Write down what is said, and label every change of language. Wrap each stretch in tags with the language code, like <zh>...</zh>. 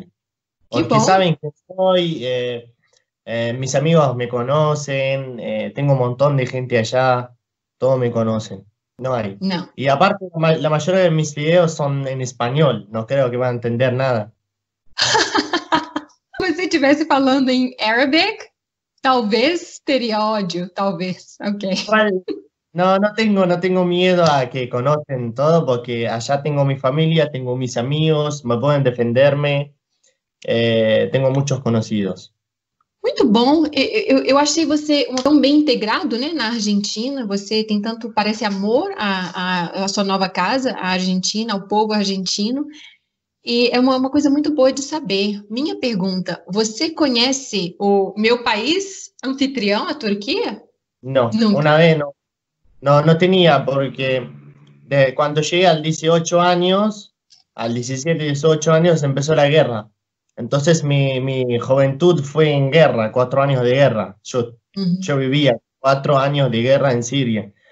<es>Que Porque bom. saben que soy, mis amigos me conocen, tengo un montón de gente allá, todos me conocen. No hay.</es> <pt>Não.</pt> <es>Y aparte, la mayoría de mis videos son en español, no creo que van a entender nada.</es> <pt>Você estivesse falando em Arabic, talvez teria ódio, talvez. Ok.</pt> <es>Vale. No tengo miedo a que conocen todo, porque allá tengo mi familia, tengo mis amigos, me pueden defenderme. Tengo muchos conocidos.</es> <pt>Bom, eu achei você tão bem integrado, né, na Argentina. Você tem tanto, parece amor à sua nova casa, à Argentina, ao povo argentino. E é uma coisa muito boa de saber. Minha pergunta: você conhece o meu país anfitrião, a Turquia?</pt> <es>No, Nunca. una vez no. No, no tenía, porque cuando llegué al 18 años, al 17, 18 años, empezó la guerra. Entonces mi juventud fue en guerra, 4 años de guerra. Yo vivía 4 años de guerra en Siria.</es>